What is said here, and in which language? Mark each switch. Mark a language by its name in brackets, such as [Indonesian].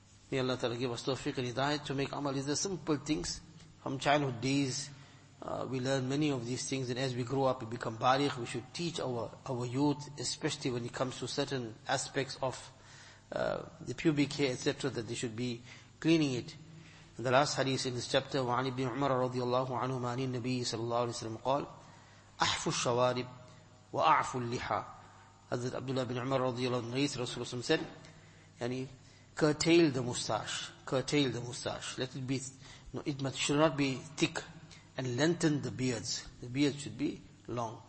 [English] May Allah Ta'ala give us tawfiq and hidayah to make amal. These are simple things. From childhood days, we learn many of these things, and as we grow up, we become baligh. We should teach our youth, especially when it comes to certain aspects of the pubic hair, etc., that they should be cleaning it. And the last hadith in this chapter, [Arabic] وعن ابن عمر رضي الله عنه عن النبي صلى الله عليه وسلم قال, أحف الشوارب وأعف اللحى. [English] Hazrat Abdullah bin Umar [Arabic] رضي الله عنه [English] said, yani, curtail the moustache, let it be, no, it should not be thick, and lengthen the beards. The beards should be long.